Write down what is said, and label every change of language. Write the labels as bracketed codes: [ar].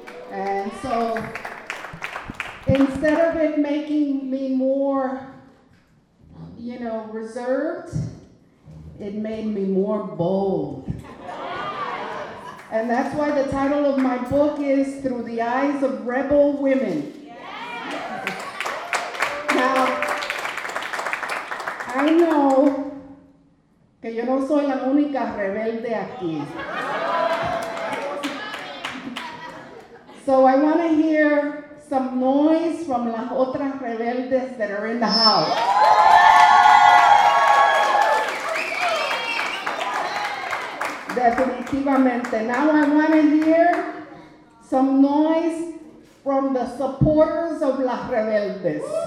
[en] And so instead of it making me more, you know, reserved, it made me more bold. And that's why the title of my book is Through the Eyes of Rebel Women. Yes. Now, I know [es] que yo no soy la única rebelde aquí. [en] So I want to hear some noise from [es] las otras rebeldes [en] that are in the house. [es] Definitivamente. [en] Now I want to hear some noise from the supporters of [es] las rebeldes.